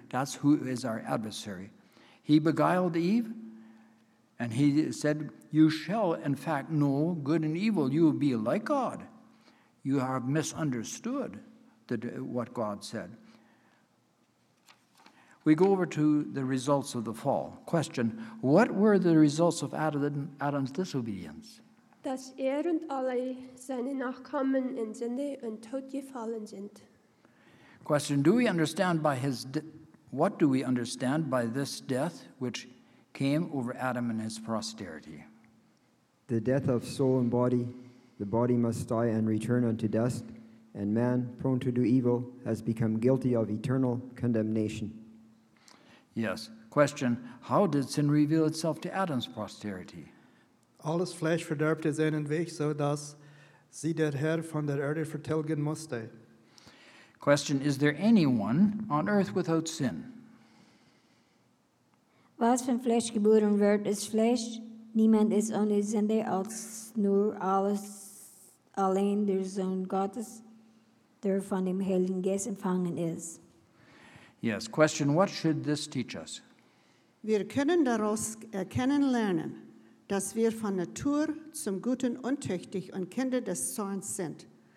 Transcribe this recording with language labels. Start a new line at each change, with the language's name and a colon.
English: That's who is our adversary. He beguiled Eve, and he said, you shall, in fact, know good and evil. You will be like God. You have misunderstood what God said. We go over to the results of the fall. Question, what were the results of Adam's disobedience?
German: Dass er und alle seine Nachkommen in Sünde und Tod gefallen sind.
English: Question, do we understand by his what do we understand by this death which came over Adam and his posterity? The death of soul and body, the body must die and return unto dust, and man, prone to do evil, has become guilty of eternal condemnation. Yes. Question, how did sin reveal itself to Adam's posterity?
German: Alles Fleisch verderbte seinen Weg, so dass sie der Herr von der Erde vertilgen musste.
English: Question, is there anyone on earth without sin?
German: Was von Fleisch geboren wird, ist Fleisch. Niemand ist ohne Sünde, als nur alles allein der Sohn Gottes, der von dem Heiligen Geist empfangen ist.
English: Yes, question, what should this teach us?
German: Wir können daraus erkennen lernen, dass wir von Natur zum Guten untüchtig und Kinder des Zorns sind.